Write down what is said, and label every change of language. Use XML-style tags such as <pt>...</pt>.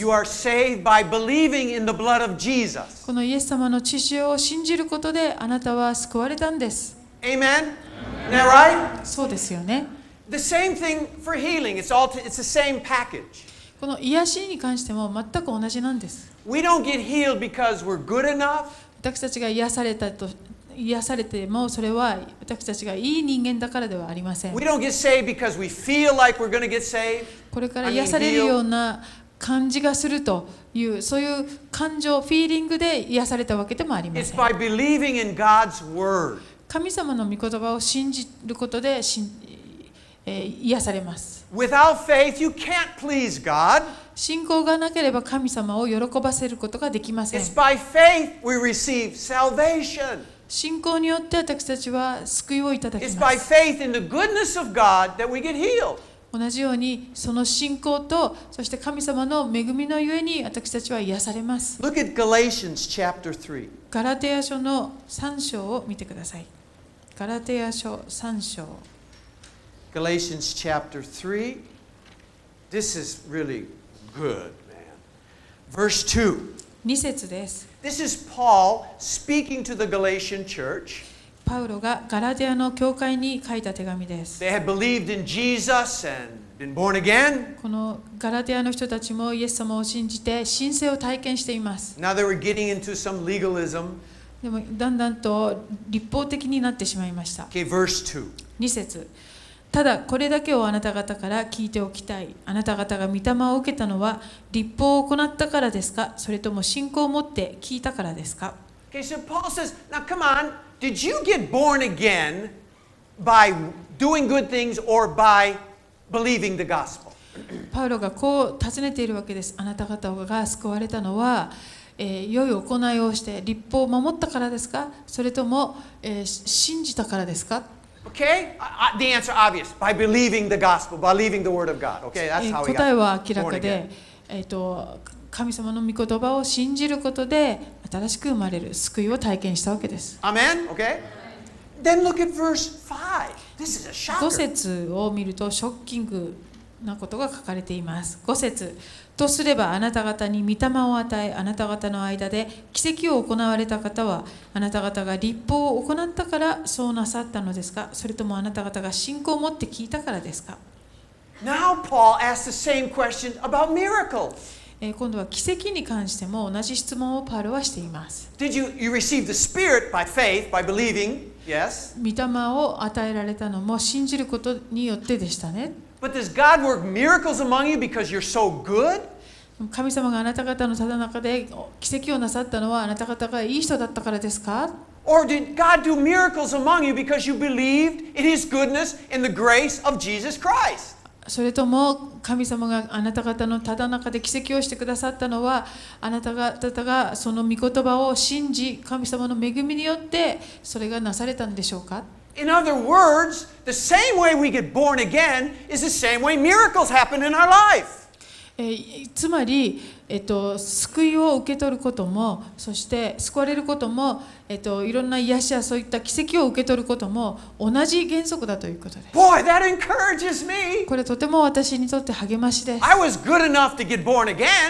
<en>You are saved by believing in the blood of Jesus.</en> <ja>このイエス様の血潮を信じることであなたは救われたんです。</ja> <en>Amen? Is that right?</en> <ja>そうですよね。</ja> <en>The same thing for healing. It's the same package.</en> <ja>この癒しに関しても全く同じなんです。</ja> <en>We don't get healed because we're good enough.</en> <ja>私たちが癒されてもそれは私たちがいい人間だからではありません。</ja> <en>We don't get saved because we feel like we're going to get saved.</en> <ja>これから癒されるような感じがするというそういう感情、フィーリングで癒されたわけでもありません。</ja> <en>It's by believing in God's word.</en> <ja>神様の御言葉を信じることで癒されます。</ja> <en>Without faith, you can't please God.</en> <ja>信仰がなければ神様を喜ばせることができません。</ja> <en>It's by faith we receive salvation.</en> <ja>信仰によって私たちは救いをいただきます。</ja> <en>It's by faith in the goodness of God that we get healed.</en> <ja>同じようにその信仰とそして神様の恵みのゆえに私たちは癒されます。</ja> <en>Look at Galatians chapter 3.</en> <ja>ガラテヤ書の3章を見てください。ガラテヤ書3章。</ja> <en>Galatians chapter 3. This is really good, man. Verse 2.</en> <ja>2節です。</ja> <en>This is Paul speaking to the Galatian church.</en> <ja>パウロがガラテヤの教会に書いた手紙です。</ja> <en>They had believed in Jesus and been born again.</en> <ja>このガラテヤの人たちもイエス様を信じて新生を体験しています。</ja> <en>Now they were getting into some legalism.</en> <ja>でもだんだんと立法的になってしまいました。</ja> <en>Okay, verse 2.</en> <ja>2節。ただこれだけをあなた方から聞いておきたい。あなた方が御霊を受けたのは律法を行ったからですか、それとも信仰を持って聞いたからですか。</ja> <en>Okay, so Paul says, now come on, did you get born again by doing good things or by believing the gospel?</en> <ja>パウロがこう尋ねているわけです。あなた方が救われたのは、良い行いをして律法を守ったからですか、それとも、信じたからですか。</ja> <en>Okay, the answer obvious by believing the gospel, by believing the word of God. Okay, that's how we got born again.</en> <ja>答えは明らかで、神様の御言葉を信じることで新しく生まれる救いを体験したわけです。</ja> <en>Amen. Okay. Then look at verse 5. This is a shocker.</en> <ja>5節を見るとショッキングなことが書かれています。 5節とすればあなた方に御霊を与え、あなた方の間で奇跡を行われた方はあなた方が律法を行ったからそうなさったのですか、それともあなた方が信仰を持って聞いたからですか。</ja> <en>Now Paul asks the same question about miracles.</en> <ja>今度は奇跡に関しても同じ質問をパウロはしています。</ja> <en>Did you receive the Spirit by faith, by believing? Yes.</en> <ja>御霊を与えられたのも信じることによってでしたね。</ja> <en>But does God work miracles among you because you're so good?</en> <ja>神様があなた方のただ中で奇跡をなさったのはあなた方がいい人だったからですか?</ja> <en>Or did God do miracles among you because you believed in His goodness and the grace of Jesus Christ?</en> <ja>それとも神様があなた方のただ中で奇跡をしてくださったのはあなた方がその御言葉を信じ神様の恵みによってそれがなされたんでしょうか?</ja> <en>In other words,The same way we get born again is the same way miracles happen in our life.</en> <ja>つまり、救いを受け取ることも、そして救われることも、いろんな癒しやそういった奇跡を受け取ることも同じ原則だということです。</ja> <en>Boy, that encourages me.</en> <ja>これとても私にとって励ましです。</ja> <en>I was good enough to get born again.</en>